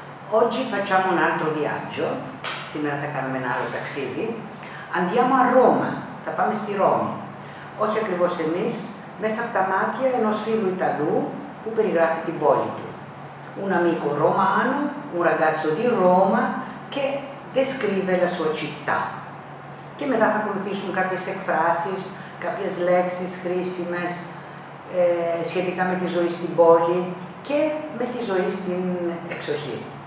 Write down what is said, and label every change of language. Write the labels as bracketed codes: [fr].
[it] Oggi facciamo un altro viaggio, simile a Carmenaro Taxidi. Andiamo a Roma, [el] θα πάμε στη Ρώμη. Όχι ακριβώς εμείς, μέσα από τα μάτια ενός φίλου Ιταλού που περιγράφει την πόλη του. [it] Un amico romano, un ragazzo di Roma che descrive la sua città. [el] Και μετά θα ακολουθήσουν κάποιες εκφράσεις, κάποιες λέξεις χρήσιμες σχετικά με τη ζωή στην πόλη και με τη ζωή στην εξοχή.